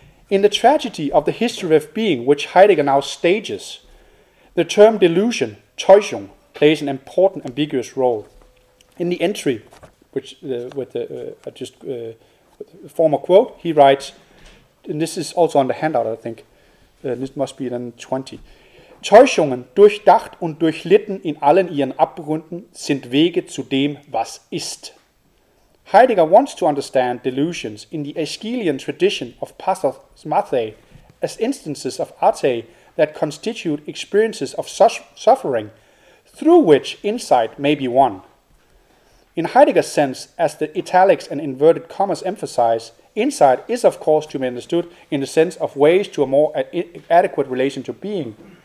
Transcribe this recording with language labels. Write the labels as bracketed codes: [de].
[en] In the tragedy of the history of being, which Heidegger now stages, the term delusion, Täuschung, plays an important ambiguous role. In the entry, with the former quote, he writes, and this is also on the handout, I think, this must be then 20. [de] Täuschungen, durchdacht und durchlitten in allen ihren Abgründen, sind Wege zu dem, was ist. [en] Heidegger wants to understand delusions in the Aeschylean tradition of pathos mathai as instances of arte that constitute experiences of suffering through which insight may be won. In Heidegger's sense, as the italics and inverted commas emphasize, insight is of course to be understood in the sense of ways to a more adequate relation to being.